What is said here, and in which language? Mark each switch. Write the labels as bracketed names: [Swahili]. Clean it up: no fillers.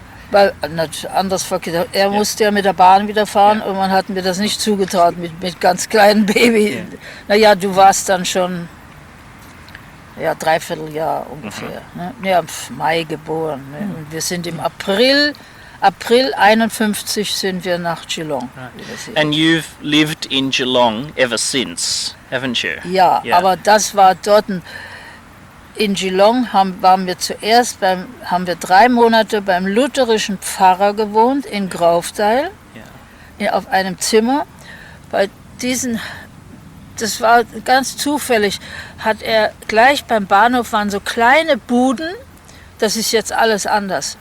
[German] Weil anders verkehrt. Er musste ja mit der Bahn wieder fahren und man hat mir das nicht zugetraut mit ganz kleinen Baby. Ja. Naja, du warst dann schon dreiviertel Jahr ungefähr. Mhm. Ne? Ja, im Mai geboren. Ne? Mhm. Und wir sind im April 51 sind wir nach Geelong. [English] Right. And you've lived in Geelong ever since, haven't you? [German] Ja, aber das war dort. In Geelong haben wir 3 Monate beim lutherischen Pfarrer gewohnt, in Grauftal, auf einem Zimmer. Das war ganz zufällig, hat er gleich beim Bahnhof, waren so kleine Buden, das ist jetzt alles anders.